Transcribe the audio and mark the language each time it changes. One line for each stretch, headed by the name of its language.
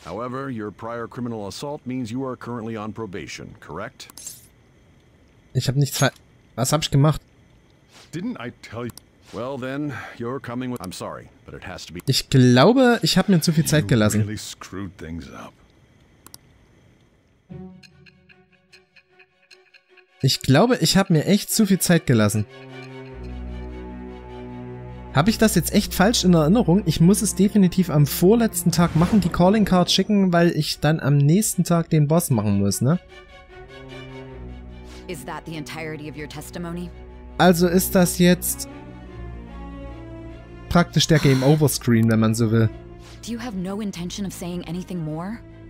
English: However, your prior criminal assault means you are currently on probation, correct?
German: Ich hab nichts Was hab ich gemacht?
English: Didn't I tell you? Well then, you're coming with. I'm sorry, but it has to be.
German: Ich glaube, ich habe mir zu viel Zeit you gelassen.
English: Really screwed things up.
German: Ich glaube, ich habe mir echt zu viel Zeit gelassen. Habe ich das jetzt echt falsch in Erinnerung? Ich muss es definitiv am vorletzten Tag machen, die Calling Card schicken, weil ich dann am nächsten Tag den Boss machen muss, ne?
English: Is that the entirety of your testimony?
German: Also ist das jetzt praktisch der Game Over Screen, wenn man so will.
English: Do you have no intention of saying anything more?